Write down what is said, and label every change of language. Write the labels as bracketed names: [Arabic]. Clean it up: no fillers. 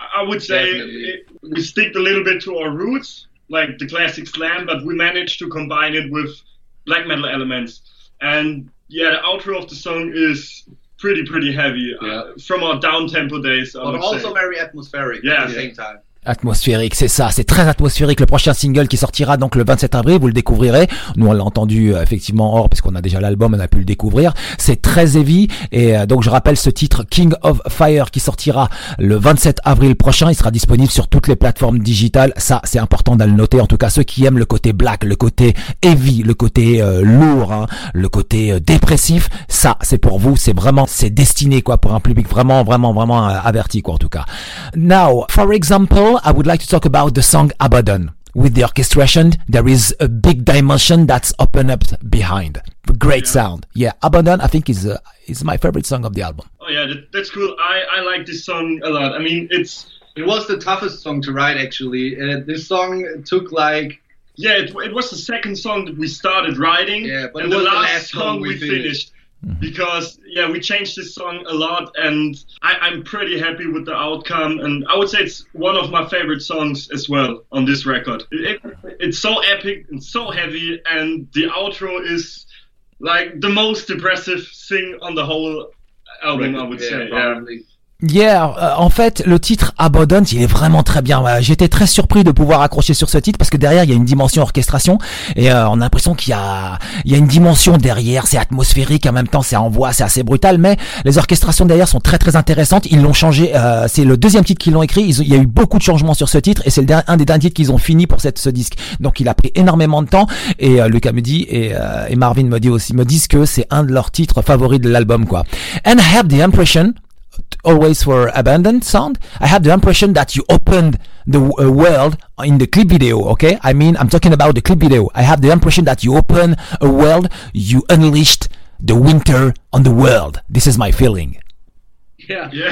[English] I would say we stick a little bit to our roots, like the classic slam, but we managed to combine it with black metal elements. And yeah, the outro of the song is pretty, pretty heavy from our down-tempo days. But also very atmospheric at the same time. [French] Atmosphérique, c'est ça, c'est très atmosphérique. Le prochain single qui sortira donc le 27 avril, vous le découvrirez. Nous on l'a entendu effectivement hors puisqu'on a déjà l'album, on a pu le découvrir. C'est très heavy et donc je rappelle ce titre King of Fire qui sortira le 27 avril prochain. Il sera disponible sur toutes les plateformes digitales. Ça c'est important de le noter. En tout cas ceux qui aiment le côté black, le côté heavy, le côté lourd, hein, le côté dépressif, ça c'est pour vous. C'est vraiment, c'est destiné quoi pour un public vraiment vraiment vraiment averti quoi en tout cas. [English] Now for example, I would like to talk about the song Abaddon. With the orchestration, there is a big dimension that's opened up behind. Great sound. Yeah, Abaddon, I think, is my favorite song of the album. Oh, yeah, that's cool. I like this song a lot. I mean, it was the toughest song to write, actually. This song took, like... Yeah, it was the second song that we started writing. Yeah, but and it was the last song we finished. Because, yeah, we changed this song a lot, and I'm pretty happy with the outcome, and I would say it's one of my favorite songs as well on this record. It's so epic and so heavy, and the outro is, like, the most depressive thing on the whole album, I would say. Probably. Yeah. [French] Yeah, en fait, le titre Abaddon, il est vraiment très bien. J'étais très surpris de pouvoir accrocher sur ce titre parce que derrière, il y a une dimension orchestration et on a l'impression qu'il y a une dimension derrière. C'est atmosphérique, en même temps, c'est en voix, c'est assez brutal, mais les orchestrations derrière sont très très intéressantes. Ils l'ont changé. C'est le deuxième titre qu'ils l'ont écrit. Il y a eu beaucoup de changements sur ce titre et c'est un des derniers titres qu'ils ont fini pour ce disque. Donc, il a pris énormément de temps et Lucas me dit et Marvin me dit aussi, me disent que c'est un de leurs titres favoris de l'album, quoi. [English] And I have the impression. Always for Abandoned sound. I have the impression that you opened the world in the clip video, okay? I mean, I'm talking about the clip video. I have the impression that you open a world, you unleashed the winter on the world. This is my feeling. Yeah.